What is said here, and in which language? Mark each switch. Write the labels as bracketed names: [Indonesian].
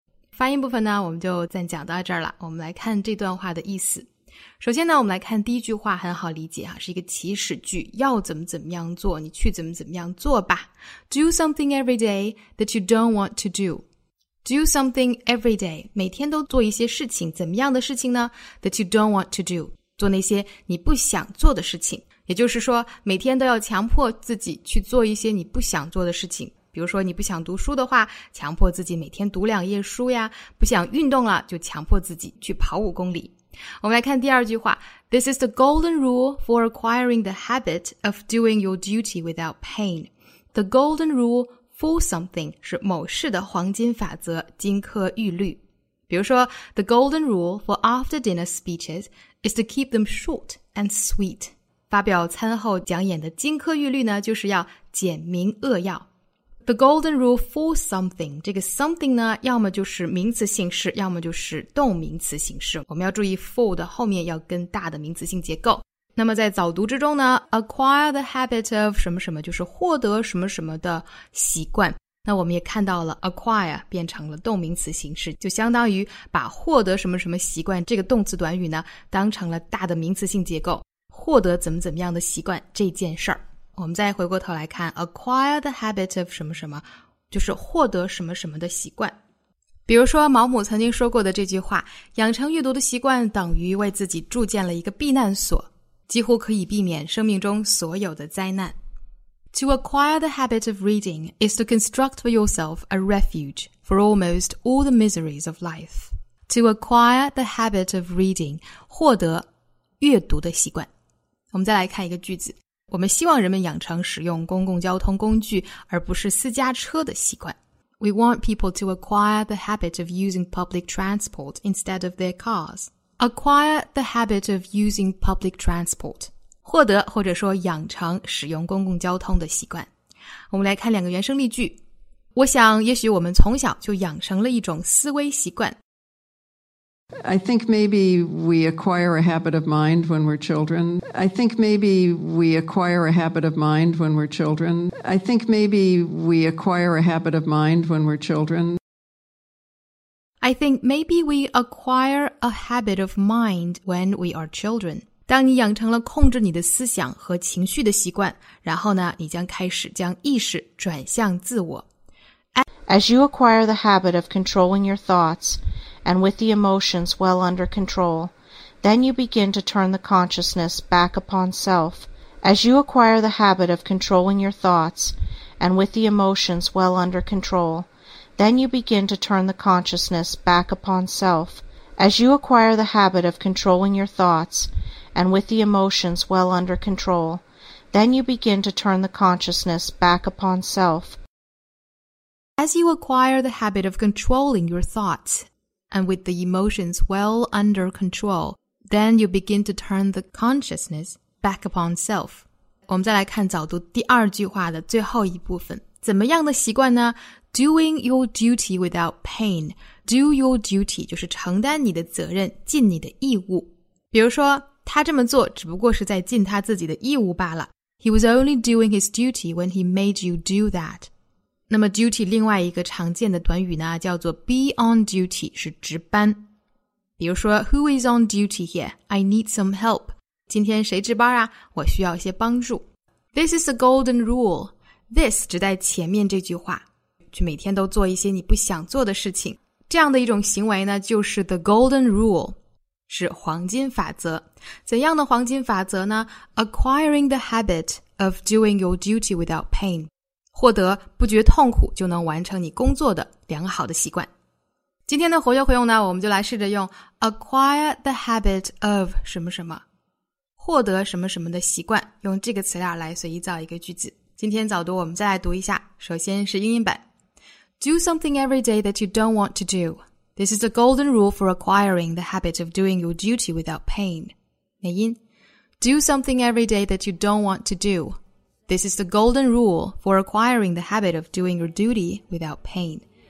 [Chinese] 发音部分呢，我们就暂讲到这儿了。我们来看这段话的意思。首先呢，我们来看第一句话，很好理解啊，是一个祈使句，要怎么怎么样做，你去怎么怎么样做吧。 [English] Do something every day that you don't want to do. Do something every day. [Chinese] 每天都做一些事情，怎么样的事情呢 ？ [English] That you don't want to do. [Chinese] 做那些你不想做的事情。也就是说，每天都要强迫自己去做一些你不想做的事情。比如说你不想读书的话，强迫自己每天读两页书呀，不想运动了，就强迫自己去跑五公里。我们来看第二句话， [English] This is the golden rule for acquiring the habit of doing your duty without pain. The golden rule for something [Chinese] 是某事的黄金法则，金科玉律。比如说 [English] The golden rule for after dinner speeches is to keep them short and sweet. [Chinese] 发表餐后讲演的金科玉律呢，就是要简明扼要。 [English] The golden rule for something, [Chinese] 这个 something 呢，要么就是名词形式，要么就是动名词形式。我们要注意 for 的后面要跟大的名词性结构。那么在早读之中呢， [English] acquire the habit of [Chinese] 什么什么，就是获得什么什么的习惯。那我们也看到了 acquire 变成了动名词形式，就相当于把获得什么什么习惯这个动词短语呢，当成了大的名词性结构，获得怎么怎么样的习惯这件事儿。我们再回过头来看 [English] acquire the habit of [Chinese] 什么什么，就是获得什么什么的习惯。比如说毛姆曾经说过的这句话，养成阅读的习惯等于为自己筑建了一个避难所，几乎可以避免生命中所有的灾难。 [English] To acquire the habit of reading is to construct for yourself a refuge for almost all the miseries of life. To acquire the habit of reading, [Chinese] 获得阅读的习惯。我们再来看一个句子，我们希望人们养成使用公共交通工具而不是私家车的习惯。 [English] We want people to acquire the habit of using public transport instead of their cars. Acquire the habit of using public transport. [Chinese] 获得或者说养成使用公共交通的习惯。我们来看两个原声例句。我想也许我们从小就养成了一种思维习惯。 [English] I think maybe we acquire a habit of mind when we're children. I think maybe we acquire a habit of mind when we're children. I think maybe we acquire a habit of mind when we're children. I think maybe we acquire a habit of mind when we are children. 当你养成了控制你的思想和情绪的习惯，然后呢，你将开始将意识转向自我。 As you acquire the habit of controlling your thoughts, and with the emotions well under control, then you begin to turn the consciousness back upon self. As you acquire the habit of controlling your thoughts, and with the emotions well under control, then you begin to turn the consciousness back upon self. As you acquire the habit of controlling your thoughts, and with the emotions well under control, then you begin to turn the consciousness back upon self. As you acquire the habit of controlling your thoughts, and with the emotions well under control, then you begin to turn the consciousness back upon self. [Chinese] 我们再来看早读第二句话的最后一部分。怎么样的习惯呢？ [English] Doing your duty without pain. Do your duty [Chinese] 就是承担你的责任，尽你的义务。比如说，他这么做只不过是在尽他自己的义务罢了。 [English] He was only doing his duty when he made you do that. [Chinese] 那么 duty 另外一个常见的短语呢，叫做 [English] be on duty， [Chinese] 是值班。比如说 [English] ，Who is on duty here? I need some help. [Chinese] 今天谁值班啊？我需要一些帮助。 [English] This is a golden rule. [Chinese] This 指在前面这句话，去每天都做一些你不想做的事情，这样的一种行为呢，就是 [English] the golden rule， [Chinese] 是黄金法则。怎样的黄金法则呢 [English] ？Acquiring the habit of doing your duty without pain. [Chinese] 获得不觉痛苦就能完成你工作的良好的习惯。今天的活学活用呢，我们就来试着用 [English] acquire the habit of [Chinese] 什么什么，获得什么什么的习惯，用这个词料来随意造一个句子。今天早读我们再来读一下，首先是英音版。 [English] Do something every day that you don't want to do. This is a golden rule for acquiring the habit of doing your duty without pain. [Chinese] 美音。 [English] Do something every day that you don't want to do. This is the golden rule for acquiring the habit of doing your duty without pain.